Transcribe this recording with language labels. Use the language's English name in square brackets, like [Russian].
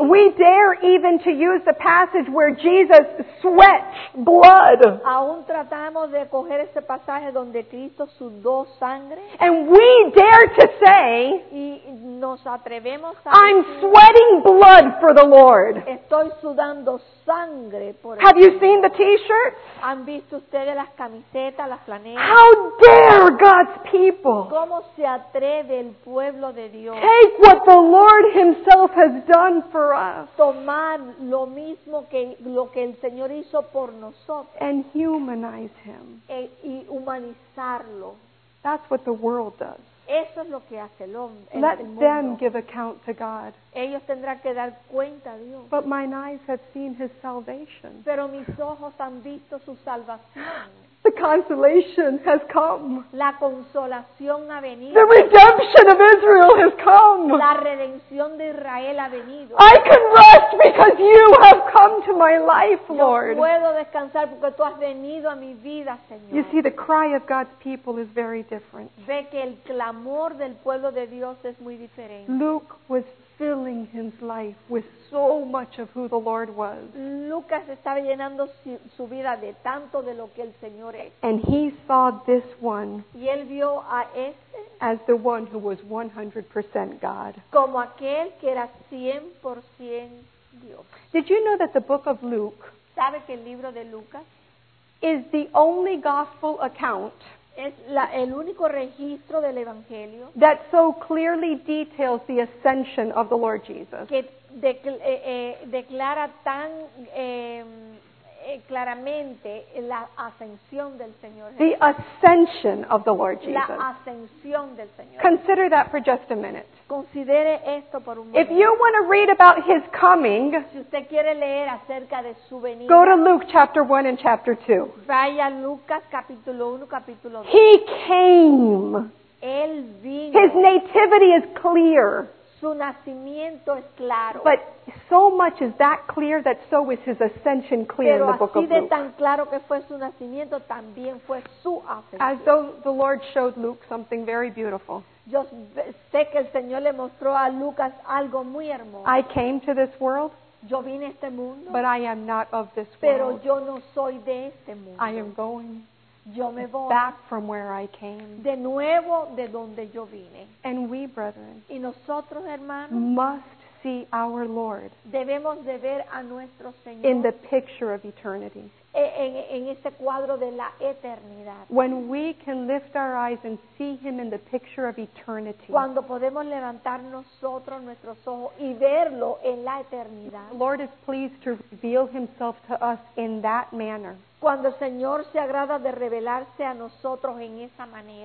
[English] We dare even to use the passage where Jesus sweat blood. [Spanish] Aún tratamos de coger ese pasaje donde Cristo sudó sangre. [English] And we dare to say, [Spanish] y nos atrevemos a decir, [English] I'm sweating blood for the Lord. [Spanish] Estoy sudando sangre por el. [English] Have you seen the t-shirts? [Spanish] ¿Han visto ustedes las camisetas? [English] How dare God's people? [Spanish] ¿Cómo se atreve el pueblo de Dios? [English] Take what the Lord Himself has done for us. [Spanish] Tomar lo mismo que lo que el Señor hizo por nosotros. [English] And humanize Him. [Spanish] Y humanizarlo. [English] That's what the world does. [Spanish] Eso es lo que hace el hombre. [English] Let them give account to God. [Spanish] Ellos tendrán que dar cuenta a Dios. [English] But mine eyes have seen His salvation. [Spanish] Pero mis ojos han visto su salvación. [English] The consolation has come. [Spanish] La consolación ha venido. [English] The redemption of Israel has come. [Spanish] La redención de Israel ha venido. [English] I can rest because you have come to my life, Lord. [Spanish] Yo puedo descansar porque tú has venido a mi vida, Señor. [English] You see, the cry of God's people is very different. [Spanish] Ve que el clamor del pueblo de Dios es muy diferente. [English] Luke was filling his life with so much of who the Lord was. [Spanish] Lucas estaba llenando su vida de tanto de lo que el Señor es. [English] And he saw this one. [Spanish] Y él vio a este [English] as the one who was 100% God. [Spanish] Como aquel que era 100% Dios. [English] Did you know that the book of Luke, [Spanish] ¿sabe que el libro de Lucas [English] is the only gospel account [Spanish] es el único registro del Evangelio [English] that so clearly details the ascension of the Lord Jesus? [Spanish] Que declara tan claramente la ascensión del Señor Jesús. [English] The ascension of the Lord Jesus. [Spanish] La ascensión del Señor. [English] Consider that for just a minute. [Spanish] Considere esto por un momento. [English] If you want to read about his coming, [Spanish] si usted quiere leer acerca de su venida, [English] go to Luke chapter 1 and chapter 2. [Spanish] Vaya Lucas capítulo 1, capítulo 2. [English] He came. [Spanish] Él vino. [English] His nativity is clear. [Spanish] Su nacimiento es claro. [English] But so much is that clear that so is his ascension clear. [Spanish] Pero [English] in the book of Luke. [Spanish] Pero así de tan claro que fue su nacimiento, también fue su ascensión. [English] As though the Lord showed Luke something very beautiful. [Spanish] Yo sé que el Señor le mostró a Lucas algo muy hermoso. [English] I came to this world. [Spanish] Yo vine a este mundo. [English] But I am not of this world. [Spanish] Pero yo no soy de este mundo. [English] I am going. [Spanish] Yo me voy. [English] Back from where I came. [Spanish] De nuevo de donde yo vine. [English] And we, brethren, [Spanish] y nosotros, hermanos, [English] must see our Lord [Spanish] debemos de ver a nuestro Señor [English] in the picture of eternity. [Spanish] En este cuadro de la eternidad. [English] When we can lift our eyes and see him in the picture of eternity. [Spanish] Cuando podemos levantar nosotros nuestros ojos y verlo en la eternidad. [English] The Lord is pleased to reveal himself to us in that manner. [Spanish] Cuando el Señor se agrada de revelarse a nosotros en esa manera.